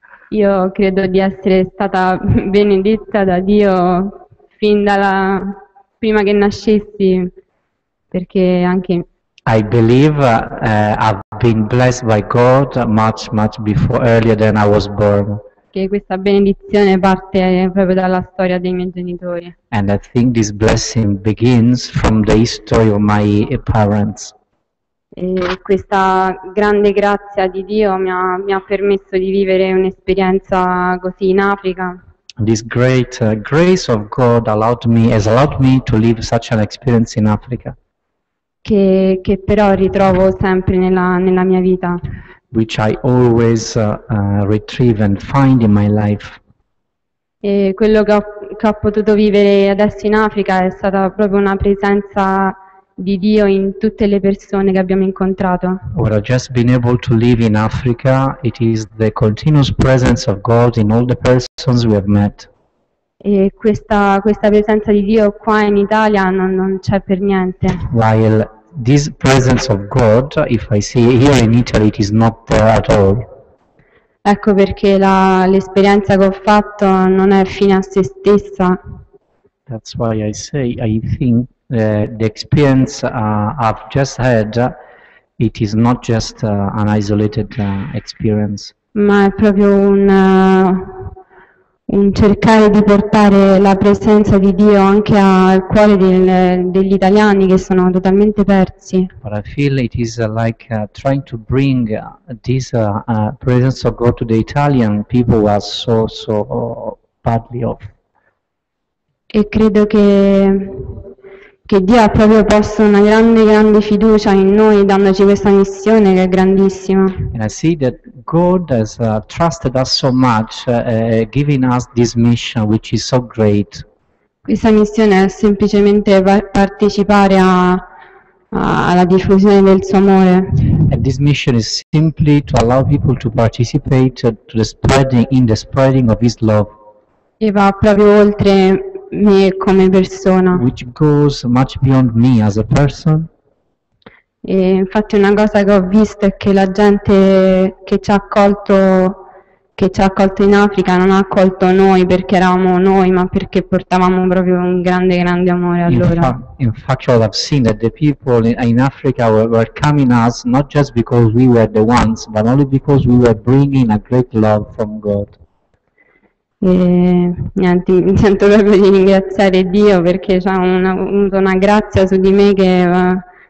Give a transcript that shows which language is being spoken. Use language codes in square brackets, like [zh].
[it] Io credo di essere stata benedetta da Dio fin dalla prima che nascessi, perché anche [en] I believe I've been blessed by God much before, earlier than I was born. [it] Che questa benedizione parte proprio dalla storia dei miei genitori. [en] And I think this blessing begins from the history of my parents. [it] E questa grande grazia di Dio mi ha permesso di vivere un'esperienza così in Africa. [en] This great grace of God has allowed me to live such an experience in Africa. [it] Che però ritrovo sempre nella mia vita. [en] Which I always retrieve and find in my life. [it] E quello che ho potuto vivere adesso in Africa è stata proprio una presenza di Dio in tutte le persone che abbiamo incontrato. [en] What I've just been able to live in Africa, it is the continuous presence of God in all the persons we have met. [it] E questa presenza di Dio qua in Italia non c'è per niente. [en] While this presence of God, if I see here in Italy, it is not there at all. [it] Ecco perché l'esperienza che ho fatto non è fine a se stessa. [en] That's why I say, I think, the experience I've just had, it is not just an isolated experience. [it] Ma è proprio un cercare di portare la presenza di Dio anche al cuore degli italiani che sono totalmente persi. [en] But I feel it is like trying to bring this presence of God to the Italian people who are so badly off. [it] E credo che Dio ha proprio posto una grande fiducia in noi dandoci questa missione che è grandissima. [en] And I see that God has trusted us so much, giving us this mission which is so great. [it] Questa missione è semplicemente partecipare alla diffusione del suo amore. [en] And this mission is simply to allow people to participate to the spreading in the spreading of His love. [it] E va proprio oltre me come persona. [en] Which goes much beyond me as a person. [it] E infatti una cosa che ho visto è che la gente che ci ha accolto in Africa non ha accolto noi perché eravamo noi, ma perché portavamo proprio un grande amore a loro. [en] In fact, what I've seen that the people in Africa were welcoming us not just because we were the ones, but only because we were bringing a great love from God. [it] E niente, mi sento proprio di ringraziare Dio perché ha avuto una grazia su di me che va.